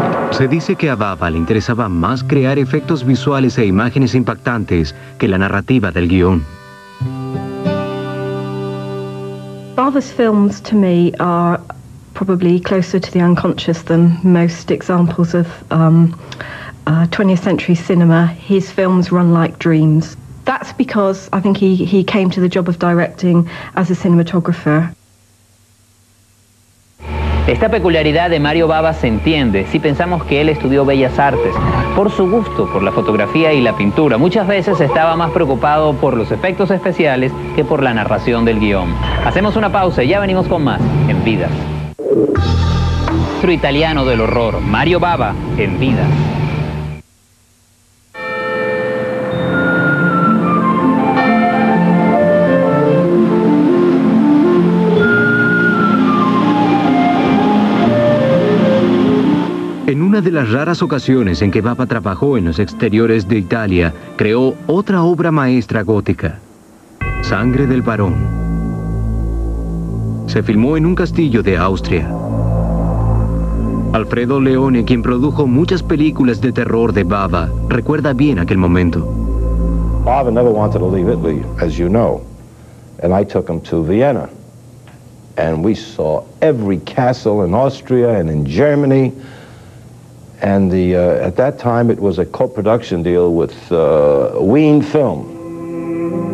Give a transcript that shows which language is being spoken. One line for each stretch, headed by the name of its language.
Spanish: Se dice que a Bava le interesaba más crear efectos visuales e imágenes impactantes que la narrativa del guión.
English: Bava's films, to me, are probably closer to the unconscious than most examples of 20th century cinema. His films run like dreams. That's because I think he came to the job of directing as a cinematographer.
Spanish: Esta peculiaridad de Mario Bava se entiende si pensamos que él estudió Bellas Artes por su gusto por la fotografía y la pintura. Muchas veces estaba más preocupado por los efectos especiales que por la narración del guión. Hacemos una pausa y ya venimos con más en Vidas. Otro italiano del horror, Mario Bava en Vidas. En una de las raras ocasiones en que Bava trabajó en los exteriores de Italia, creó otra obra maestra gótica, Sangre del Barón. Se filmó en un castillo de Austria. Alfredo Leone, quien produjo muchas películas de terror de Bava, recuerda bien aquel momento.
English: Bava never wanted to leave Italy, as you know, and I took him to Vienna, and we saw every castle in Austria and in Germany. And the at that time it was a co-production deal with Wien Film.